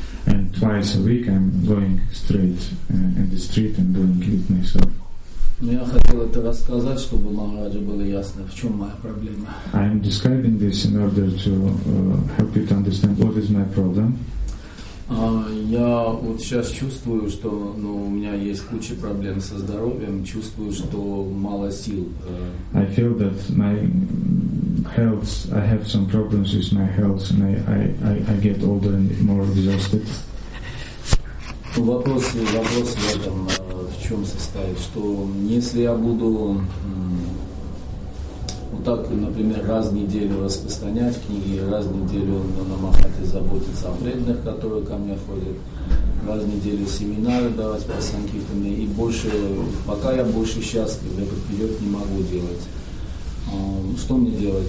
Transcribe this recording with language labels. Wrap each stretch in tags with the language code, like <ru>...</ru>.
<en>And twice a week I'm going straight in the street and doing it myself.</en> <ru>Но я хотел это рассказать, чтобы Махараджу было ясно, в чем моя проблема.</ru> <en>I'm describing this in order to help you to understand what is my problem.</en> <ru>Я вот сейчас чувствую, что ну, у меня есть куча проблем со здоровьем, чувствую, что мало сил.</ru> <en>I feel that my health, I have some problems with my health, and I get older and more exhausted.</en> <ru>Вопрос в этом, в чем состоит, что если я буду вот так, например, раз в неделю распространять книги, раз в неделю намахать и заботиться о преданных, которые ко мне ходят, раз в неделю семинары давать по санкиртане, и больше, пока я больше счастлив, в этот период не могу делать. Что мне делать?</ru>